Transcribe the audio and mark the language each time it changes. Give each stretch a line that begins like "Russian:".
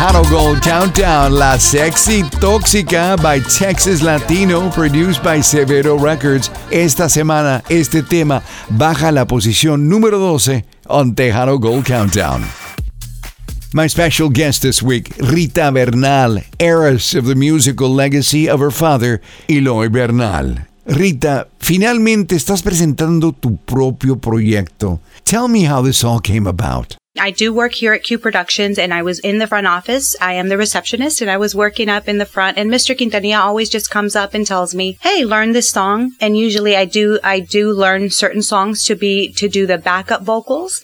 English: Gold Countdown, La Sexy Tóxica by Texas Latino, produced by Severo Records.
Spanish: Esta semana, este tema baja la posición número 12 on Tejano Gold Countdown.
English: My special guest this week, Rita Bernal, heiress of the musical legacy of her father, Eloy Bernal.
Spanish: Rita, finalmente estás presentando tu propio proyecto.
English: Tell me how this all came about. I do work here at Q Productions, and I was in the front office. I am the receptionist, and I was working up in the front, and Mr. Quintanilla always just comes up and tells me, hey, learn this song. And usually I do learn certain songs to do the backup vocals.